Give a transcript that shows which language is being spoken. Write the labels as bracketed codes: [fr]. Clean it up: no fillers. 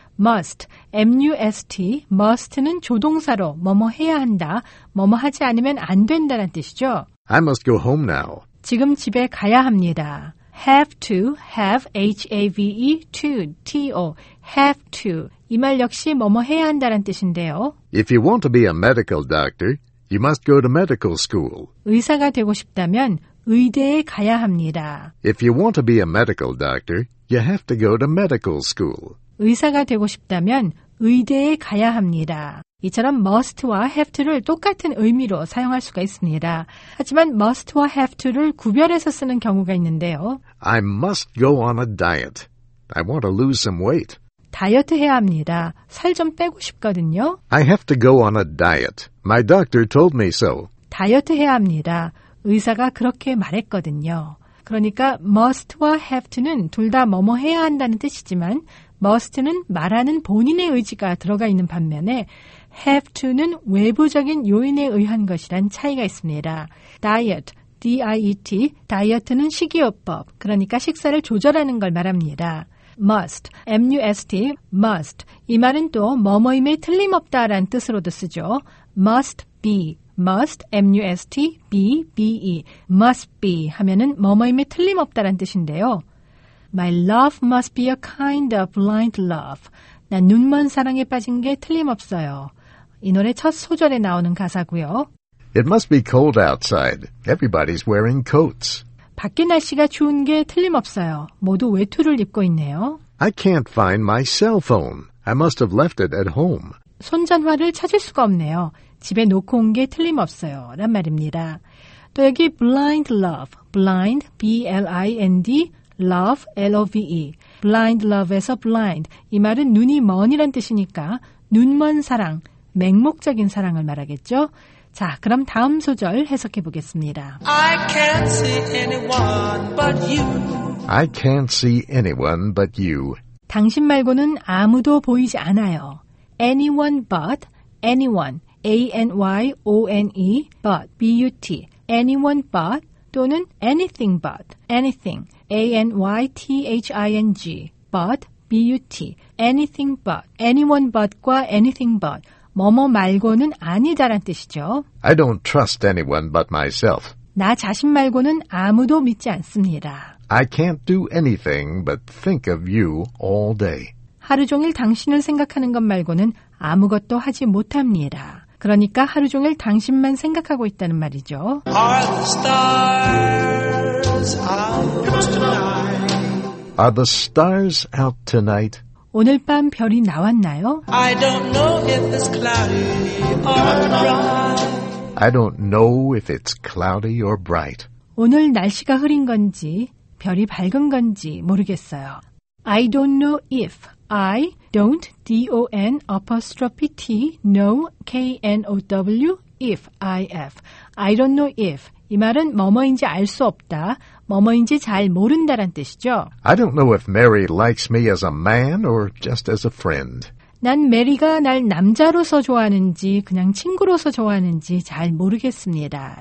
[ko] Must, M-U-S-T, must는 조동사로 뭐뭐 해야 한다, 뭐뭐 하지 않으면 안 된다는 뜻이죠. [en] I must go home now. [ko] 지금 집에 가야 합니다. Have to, have, H-A-V-E, to, T-O, have to. 이 말 역시 뭐뭐 해야 한다는 뜻인데요. [en] If you want to be a medical doctor, you must go to medical school. [ko] 의사가 되고 싶다면 의대에 가야 합니다. [en] If you want to be a medical doctor, you have to go to medical school. [ko] 의사가 되고 싶다면 의대에 가야 합니다. 이처럼 must와 have to를 똑같은 의미로 사용할 수가 있습니다. 하지만 must와 have to를 구별해서 쓰는 경우가 있는데요. [en] I must go on a diet. I want to lose some weight. [ko] 다이어트 해야 합니다. 살 좀 빼고 싶거든요. [en] I have to go on a diet. My doctor told me so. [ko] 다이어트 해야 합니다. 의사가 그렇게 말했거든요. 그러니까 must와 have to는 둘 다 뭐뭐 해야 한다는 뜻이지만 must는 말하는 본인의 의지가 들어가 있는 반면에 have to는 외부적인 요인에 의한 것이란 차이가 있습니다. diet, D-I-E-T, 다이어트는 식이요법, 그러니까 식사를 조절하는 걸 말합니다. must, M-U-S-T, must, 이 말은 또 뭐뭐임에 틀림없다라는 뜻으로도 쓰죠. must be, must, M-U-S-T, be, be, must be 하면은 뭐뭐임에 틀림없다라는 뜻인데요. [en] My love must be a kind of blind love. [ko] 난 눈먼 사랑에 빠진 게 틀림없어요. 이 노래 첫 소절에 나오는 가사고요. [en] It must be cold outside. Everybody's wearing coats. [ko] 밖에 날씨가 추운 게 틀림없어요. 모두 외투를 입고 있네요. [en] I can't find my cell phone. I must have left it at home. [ko] 손전화를 찾을 수가 없네요. 집에 놓고 온 게 틀림없어요. 란 말입니다. 또 여기 blind love. [en] Blind, B-L-I-N-D. Love, L-O-V-E. [ko] Blind love에서 blind. 이 말은 눈이 먼이란 뜻이니까 눈먼 사랑, 맹목적인 사랑을 말하겠죠. 자, 그럼 다음 소절 해석해 보겠습니다. [en] I can't see anyone but you. I can't see anyone but you. [ko] 당신 말고는 아무도 보이지 않아요. [en] Anyone but anyone. A-N-Y-O-N-E but B-U-T. Anyone but [ko] 또는 [en] anything but anything. A-N-Y-T-H-I-N-G but B-U-T. [ko] Anything but anyone but과 anything but 뭐뭐 말고는 아니다란 뜻이죠. [en] I don't trust anyone but myself. [ko] 나 자신 말고는 아무도 믿지 않습니다. [en] I can't do anything but think of you all day. [ko] 하루 종일 당신을 생각하는 것 말고는 아무것도 하지 못합니다. 그러니까 하루 종일 당신만 생각하고 있다는 말이죠. [en] Are the stars out tonight? Are the stars out tonight? [ko] 오늘 밤 별이 나왔나요? [en] I don't know if it's cloudy or bright. I don't know if it's cloudy or bright. [ko] 오늘 날씨가 흐린 건지 별이 밝은 건지 모르겠어요. [en] I don't know if I don't D-O-N apostrophe T no K-N-O-W if I-F I don't know if [ko] 이 말은 뭐뭐인지 알 수 없다, 뭐뭐인지 잘 모른다란 뜻이죠. [en] I don't know if Mary likes me as a man or just as a friend. [ko] 난 메리가 날 남자로서 좋아하는지 그냥 친구로서 좋아하는지 잘 모르겠습니다.